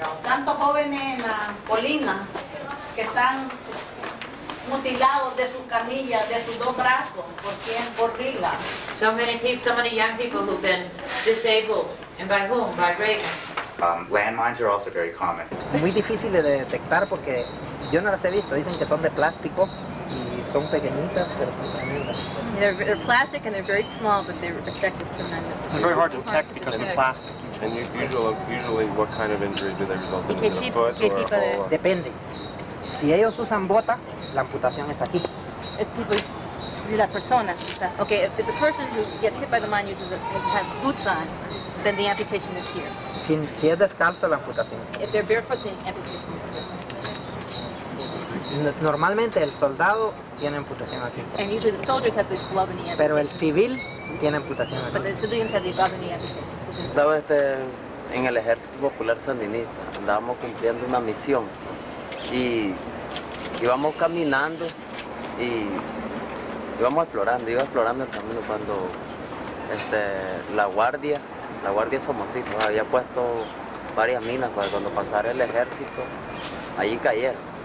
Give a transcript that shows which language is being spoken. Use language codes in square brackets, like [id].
[es] Tantos jóvenes en la colina que están mutilados de sus camillas, de sus dos brazos, por quien, por Riga. [en] So many people, so many young people who've been disabled. And by whom? By Riga. Landmines are also very common. [es] Muy difícil de detectar porque yo no las he visto. Dicen que son de plástico y son pequeñitas, pero son tremendas. [en] They're plastic and they're very small, but their effect is tremendous. It's very hard to detect because they're plastic. And usually, what kind of injury do they result in? A foot or a hole? [es] Depende. Si ellos usan bota, la amputación está aquí. [en] If people, [es] la persona, [en] okay, if the person who gets hit by the mine uses has boots on, then the amputation is here. [es] Si es descalzo, la amputación. [en] If they're barefoot, the amputation is here. [es] Normalmente el soldado tiene amputación aquí. [en] And usually the soldiers have this glove and the amputation. [es] Pero el civil tiene amputación aquí. [en] But the civilians have the glove and the amputation. [es] Estaba en el ejército popular sandinista, andábamos cumpliendo una misión y íbamos caminando y iba explorando el camino cuando la guardia somocito había puesto varias minas para cuando pasara el ejército, ahí cayeron.